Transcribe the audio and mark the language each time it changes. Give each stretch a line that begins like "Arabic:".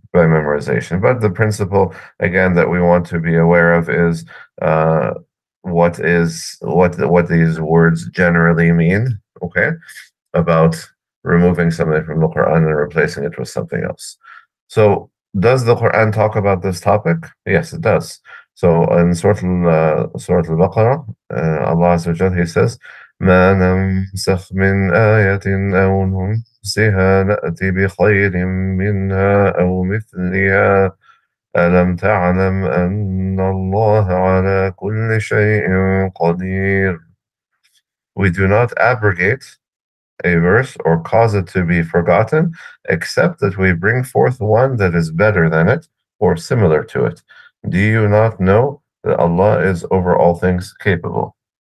English: But the principle, again, that we want to be aware of is what these words generally mean, okay, about removing something from the Quran and replacing it with something else. So does the Quran talk about this topic? Yes, it does. So in Surah Al-Baqarah, Allah Azza wa Jalla, he says,
Arabic: مَا نَمْسَخْ مِنْ آيَةٍ أَوْ نُنْسِهَا نَأْتِ بِخَيْرٍ مِنْهَا أَوْ مِثْلِهَا أَلَمْ تَعْلَمْ أَنَّ اللَّهَ عَلَى كُلِّ شَيْءٍ قَدِيرٍ.
English: We do not abrogate a verse or cause it to be forgotten, except that we bring forth one that is better than it or similar to it. Do you not know that Allah is over all things capable?